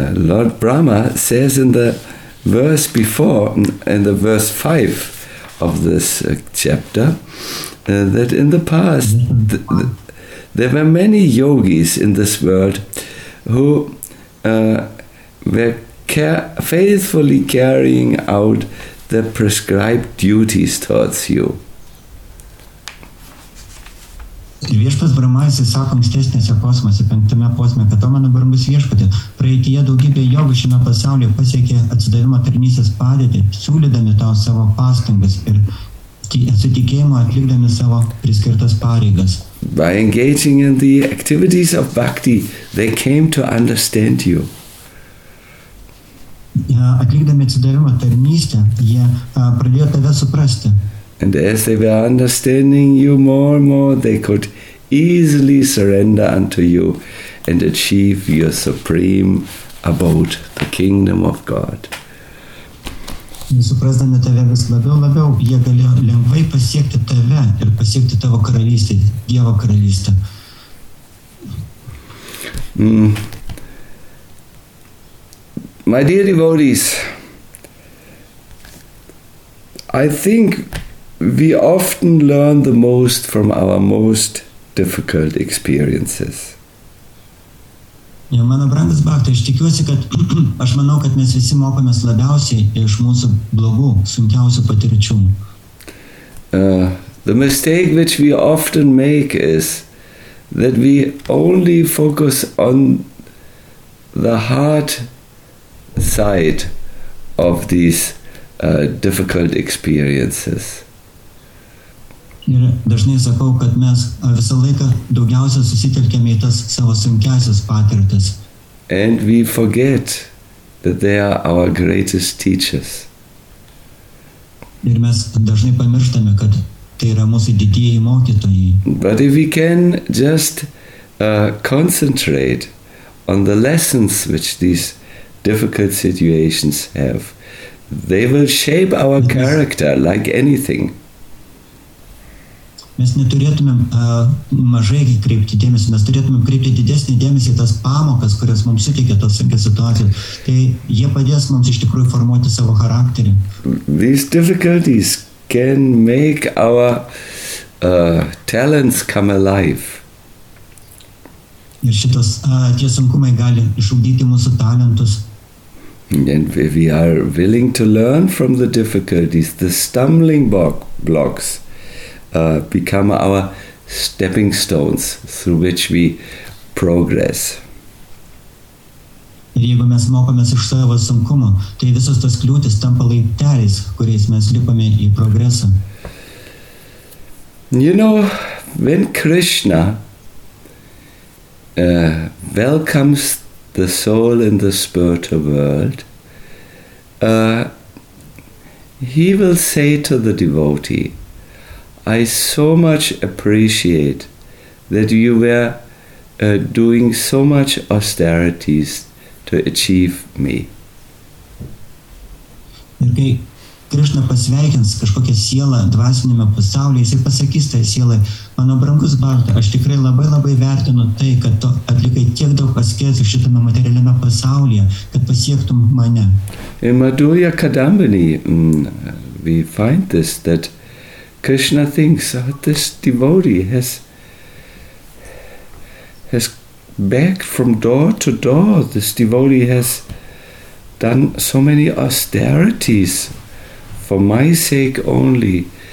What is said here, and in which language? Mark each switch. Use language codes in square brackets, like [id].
[en] Lord Brahma says in the verse before, in the verse 5 of this chapter, that in the past there were many yogis in this world who were faithfully carrying out the prescribed duties towards you. [lt] Viešpas Brahmaisai sako ankstesnėse posmose, penktame posme, kad mano brangus viešpatė, praeityje daugybė jogų šiame pasaulyje pasiekė atsidavimo tarnystės padėtį, siūlydami tau savo pastangas ir sutikėjimo atlikdami savo priskirtas pareigas. [en] By engaging in the activities of bhakti, they came to understand you. [lt] Atlikdami atsidavimo tarnystę, jie pradėjo tave suprasti. [en] And as they were understanding you more and more, they could easily surrender unto you and achieve your supreme abode, the kingdom of God. [lt] Suprasdami tave vis labiau, labiau, jie gali lengvai pasiekti tave ir pasiekti tavo karalystę, Dievo karalystę. [en] My dear devotees, I think we often learn the most from our most difficult experiences. [lt] Ja, mano brangas Bakhtai, aš tikiuosi, kad aš manau, kad mes visi mokomės labiausiai iš mūsų blogų, sunkiausių patirčių. [en] The mistake which we often make is that we only focus on the heart side of these difficult experiences. [lt] Ir dažnai sakau, kad mes visą laiką daugiausia susitelkėme į tas savo sunkiausias patirtis. [en] And we forget that they are our greatest teachers. [lt] Ir mes dažnai pamirštame, kad tai yra mūsų didieji mokytojai. [en] But if we can just concentrate on the lessons which these difficult situations have, they will shape our character like anything. [lt] Mes neturėtumėm mažai kreipti dėmesį, mes turėtumėm kreipti didesnį dėmesį tas pamokas, kurias mums suteikia tos sunkios situacijos. Tai jie padės mums iš tikrųjų formuoti savo charakterį. [en] These difficulties can make our talents come alive. [lt] Ir šitos tie sunkumai gali išugdyti mūsų talentus. [en] And if we are willing to learn from the difficulties, the stumbling blocks, become our stepping stones through which we progress. [lt] Ir jeigu mes mokomės iš savo sunkumo, tai visos tos kliūtis tampa laipteliais, kuriais mes lipame į progresą. [en] You know, when Krishna welcomes the soul in the spiritual world, he will say to the devotee, I so much appreciate that you were doing so much austerities to achieve me. [lt] Ir kai Krishna pasveikins kažkokią sielą dvasiniame pasaulyje, jis pasakys tai sielai, mano brangus Bakhtai, aš tikrai labai labai vertinu tai, kad tu atlikai tiek daug askezių šitame materialiame pasaulyje, kad pasiektum mane. [en] In Madhurya Kadambini, we find this, that Krishna thinks that this devotee has begged from door to door. This devotee has done so many austerities for my sake only.